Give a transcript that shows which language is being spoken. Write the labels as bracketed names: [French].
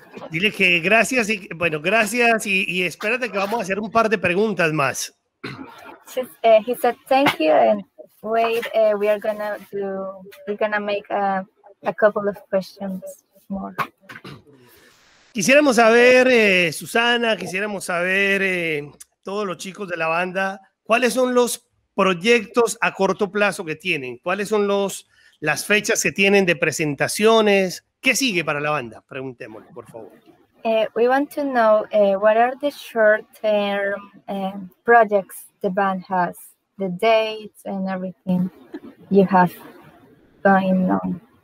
[Spanish] Dile que gracias y bueno, gracias y espérate que vamos a hacer un par de preguntas más. [English] He said thank you and wait, we're gonna make a couple of questions more. [Spanish] Quisiéramos saber, Susana, quisiéramos saber, todos los chicos de la banda, ¿cuáles son los proyectos a corto plazo que tienen? ¿Cuáles son las fechas que tienen de presentaciones? ¿Qué sigue para la banda? Preguntémosle, por favor. [English] We want to know, what are the short-term projects the band has, the dates and everything you have going on.